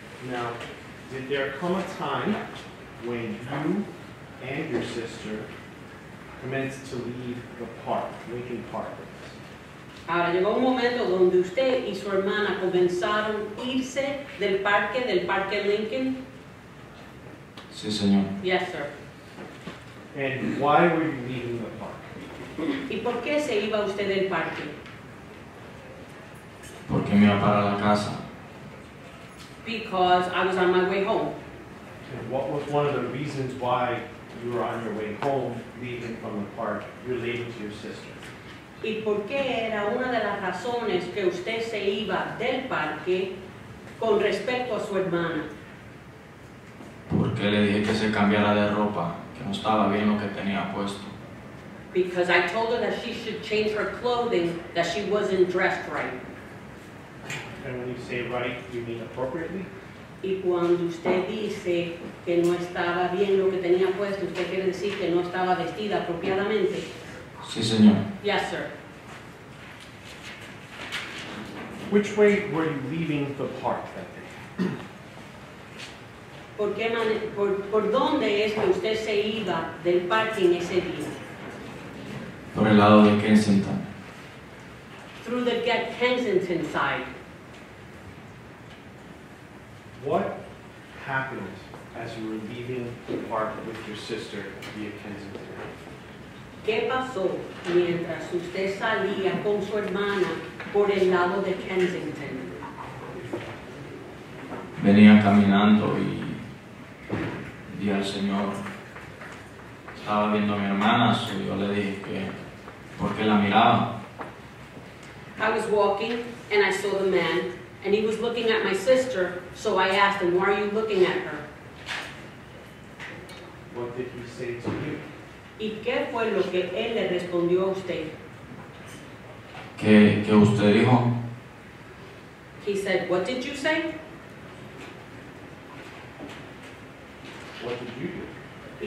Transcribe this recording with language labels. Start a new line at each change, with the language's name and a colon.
English: Now, did there come a time when you and your sister commenced to leave the park, Lincoln Park?
Spanish: Ahora llegó un momento donde usted y su hermana comenzaron irse del parque Lincoln. Sí, señor.
English: Yes, sir. And why were you leaving the park?
Spanish: ¿Y por qué se iba usted del parque? Porque me iba para la casa.
English: Because I was on my way home. And what was one of the reasons why you were on your way home, leaving from the park, relating to your sister?
Spanish: ¿Y por qué era una de las razones que usted se iba del parque con respecto a su hermana? Porque le dije que se cambiara de ropa, que no estaba bien lo que tenía puesto.
English: Because I told her that she should change her clothing, that she wasn't dressed right. And when you say right, you mean appropriately?
Spanish: Y cuando usted dice que no estaba bien lo que tenía puesto, usted quiere decir que no estaba vestida apropiadamente. Sí, señor.
English: Yes, sir. Which way were you leaving the park that day?
Spanish: ¿Por dónde es que usted se iba del parque ese día? Por el lado de Kensington.
English: Through the Kensington side. What happened as you were leaving the park with your sister via Kensington?
Spanish: ¿Qué pasó mientras usted salía con su hermana por el lado de Kensington? Venía caminando y di al señor, estaba viendo a mi hermana, so yo le dije que, ¿por qué la miraba?
English: I was walking and I saw the man and he was looking at my sister, so I asked him, why are you looking at her? What did he say to you?
Spanish: ¿Y qué fue lo que él le respondió a usted? ¿Qué usted dijo?
English: He said, what did you say? What did you do?